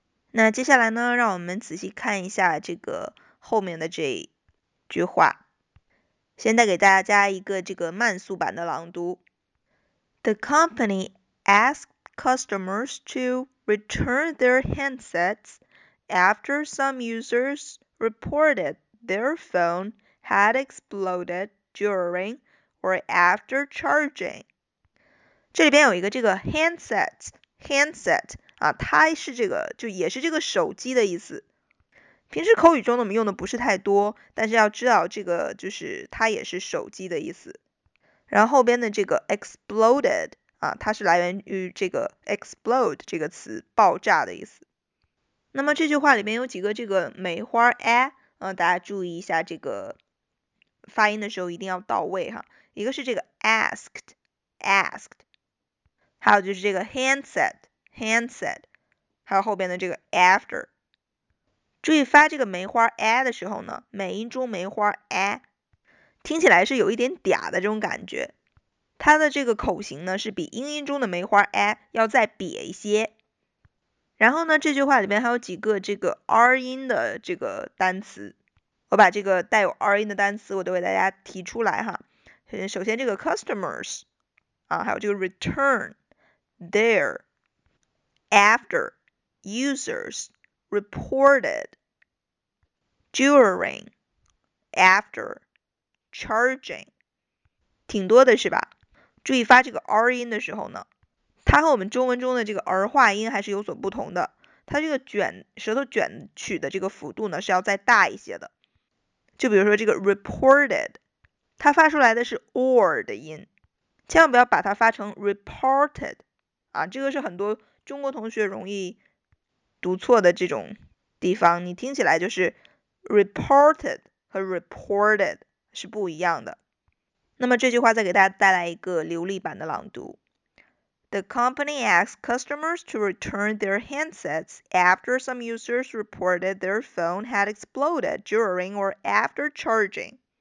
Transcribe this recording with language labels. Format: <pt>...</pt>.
<zh>那接下来呢，让我们仔细看一下这个后面的这句话，现在给大家一个这个慢速版的朗读。</zh> <en>The company asked customers to return their handsets after some users reported their phone had exploded during or after charging.</en> <zh>这里边有一个这个 handset, 它是这个就也是这个手机的意思。平时口语中我们用的不是太多，但是要知道这个就是它也是手机的意思。然后后边的这个 exploded, 它是来源于这个 explode 这个词，爆炸的意思。那么这句话里面有几个这个梅花 a, 大家注意一下这个发音的时候一定要到位哈。一个是这个 asked, 还有就是这个 handset, 还有后边的这个 after。注意发这个梅花 a 的时候呢，美音中梅花 a 听起来是有一点嗲的这种感觉，它的这个口型呢是比英音中的梅花 a 要再瘪一些。然后呢，这句话里面还有几个这个 R 音的这个单词，我把这个带有 R 音的单词我都为大家提出来哈。首先这个 customers, 还有这个 return, there, after, users, reported, during, after, charging, 挺多的是吧。注意发这个 R 音的时候呢，它和我们中文中的这个儿化音还是有所不同的，它这个卷舌头卷曲的这个幅度呢是要再大一些的。就比如说这个 reported, 它发出来的是 or 的音，千万不要把它发成 reported, 这个是很多中国同学容易读错的这种地方，你听起来就是 reported 和 reported 是不一样的。那么这句话再给大家带来一个流利版的朗读。</zh> <en>The company asked customers to return their handsets after some users reported their phone had exploded during or after charging.</en>